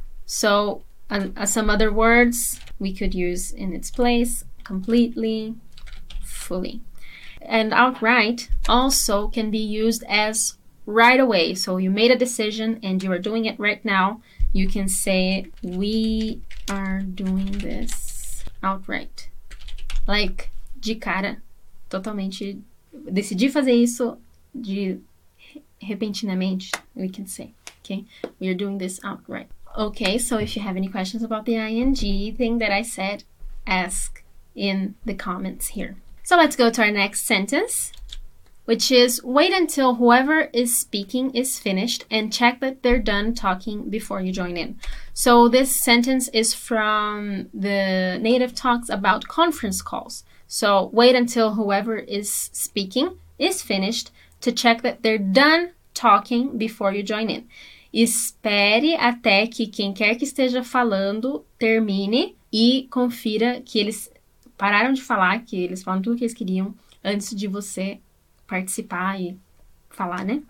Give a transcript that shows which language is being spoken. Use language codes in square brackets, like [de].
[en] So some other words we could use in its place, completely, fully. And outright also can be used as right away. So you made a decision and you are doing it right now. You can say, we are doing this outright. [pt] Like, de cara, totalmente. Decidi fazer isso de repentinamente, [en] we can say. Okay, we are doing this outright. Okay, so if you have any questions about the ing thing that I said, ask in the comments here. So let's go to our next sentence, which is, wait until whoever is speaking is finished and check that they're done talking before you join in. So this sentence is from the native talks about conference calls. So wait until whoever is speaking is finished to check that they're done talking before you join in. [pt] Espere até que quem quer que esteja falando termine e confira que eles pararam de falar, que eles falaram tudo o que eles queriam antes de você participar e falar, né?